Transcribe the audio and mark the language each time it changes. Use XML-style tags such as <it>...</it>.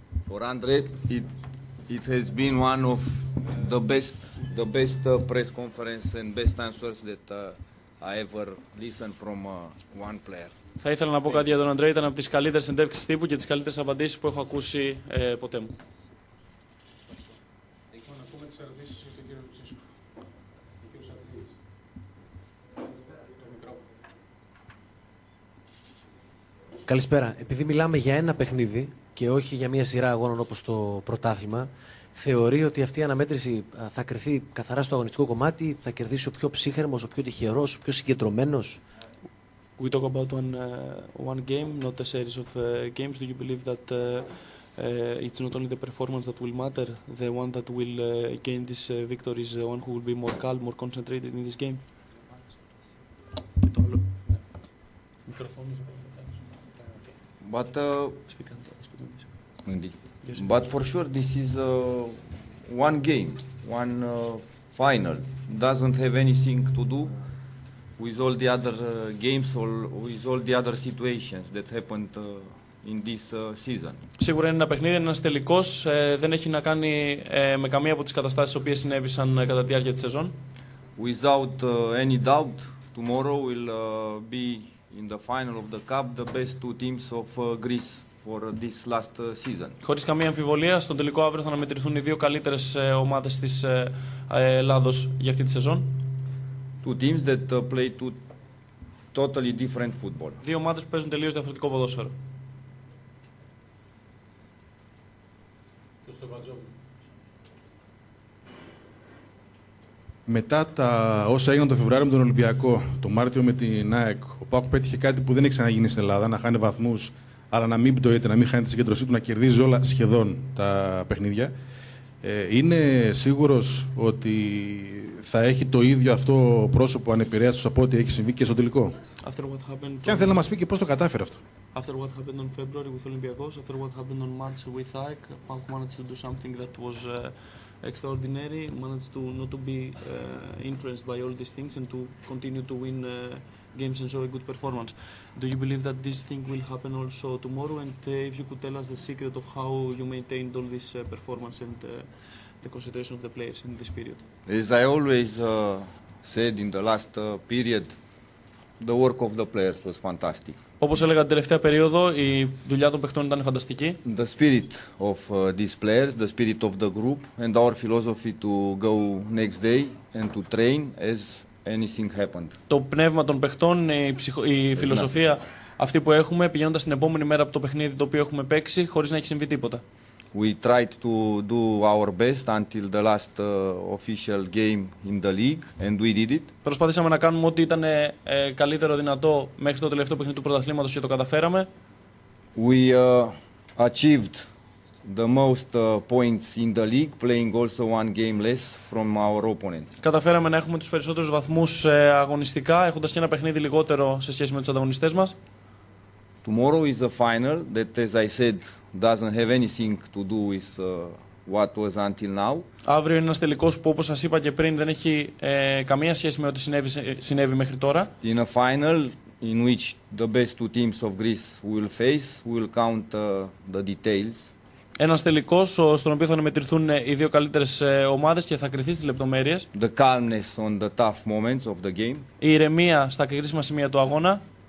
<en>For Andre, it has been one of the best press conference and best answers that I ever listened from one player.</en> <el>Θα ήθελα να πω κάτι για τον Andre. Ήταν από τις καλύτερες συνεντεύξεις τύπου και τις καλύτερες απαντήσεις που έχω ακούσει ποτέ μου. Καλησπέρα. Επειδή μιλάμε για ένα παιχνίδι και όχι για μια σειρά αγώνων όπως το πρωτάθλημα, θεωρεί ότι αυτή η αναμέτρηση θα κριθεί καθαρά στο αγωνιστικό κομμάτι, θα κερδίσει ο πιο ψύχερμος, ο πιο τυχερός, ο πιο συγκεντρωμένος?</el> <en>We talk about one game, not a series of games. Do you believe that It's not only the performance that will matter, the one that will gain this victory is the one who will be more calm, more concentrated in this game. But for sure this is one game, one final. Doesn't have anything to do with all the other games or with all the other situations that happened in this season.</en> <el>Σίγουρα είναι ένα παιχνίδι, είναι ένας τελικός. Δεν έχει να κάνει με καμία από τις καταστάσεις που συνέβησαν κατά τη διάρκεια της σεζόν.</el> <en>Without any doubt, tomorrow will be in the final of the cup the best two teams of Greece for this last season.</en> <el>Χωρίς καμία αμφιβολία, στον τελικό αύριο θα αναμετρηθούν οι δύο καλύτερες ομάδες της Ελλάδος για αυτή τη σεζόν.</el> <en>Two teams that play two totally different football.</en> <el>Δύο ομάδες που παίζουν τελείως διαφορετικό ποδόσφαιρο. Μετά τα όσα έγιναν το Φεβρουάριο με τον Ολυμπιακό, το Μάρτιο με την ΑΕΚ, ο ΠΑΟΚ πέτυχε κάτι που δεν έχει ξαναγίνει στην Ελλάδα, να χάνει βαθμούς, αλλά να μην πτωείται, να μην χάνει τη συγκέντρωσή του, να κερδίζει όλα σχεδόν τα παιχνίδια. Είναι σίγουρος ότι θα έχει το ίδιο αυτό πρόσωπο ανεπηρέαστος από ό,τι έχει συμβεί και στο τελικό. Και αν θέλει να μας πει και πώς το κατάφερε αυτό.</el> <en>After what happened on February with Olympiacos, after what happened on March with ΑΕΚ, ΠΑΟΚ managed to do something that was extraordinary, managed to not to be influenced by all these things and to continue to win games and show a good performance. Do you believe that this thing will happen also tomorrow? And if you could tell us the secret of how you maintained all this performance and the concentration of the players in this period. As I always said in the last period, the work of the players was fantastic.</en> <el>Όπως έλεγα την τελευταία περίοδο, η δουλειά των παιχτών ήταν φανταστική.</el> <en>The spirit of these players, the spirit of the group and our philosophy to go next day and to train as anything happened.</en> <el>Το πνεύμα των παιχτών, η φιλοσοφία αυτή που έχουμε, πηγαίνοντας την επόμενη μέρα από το παιχνίδι το οποίο έχουμε παίξει, χωρίς να έχει συμβεί τίποτα.</el> <en>We tried to do our best until the last official game in the league and we did it.</en> <el>Προσπαθήσαμε να κάνουμε ό,τι ήταν καλύτερο δυνατό μέχρι το τελευταίο παιχνίδι του πρωταθλήματος και το καταφέραμε.</el> <en>We achieved the most points in the league playing also one game less from our opponents.</en> <el>Καταφέραμε να έχουμε τους περισσότερους βαθμούς αγωνιστικά έχοντας και ένα παιχνίδι λιγότερο σε σχέση με τους ανταγωνιστές μας.</el> <en>Tomorrow is the final that, as I said, doesn't have anything to do with what was until now.</en> <el>Αύριο είναι ένας τελικός που, όπως σας είπα και πριν, δεν έχει καμία σχέση με ό,τι συνέβη μέχρι τώρα.</el> <en>In a final in which the best two teams of Greece will face, will count the details.</en> <el>Ένας τελικός στον οποίο θα αναμετρηθούν οι δύο καλύτερες ομάδες και θα κριθεί στις λεπτομέρειες.</el> <en>The calmness on the tough moments of the game.</en> <el>Η ηρεμία στα κρίσιμα σημεία του αγώνα.</el>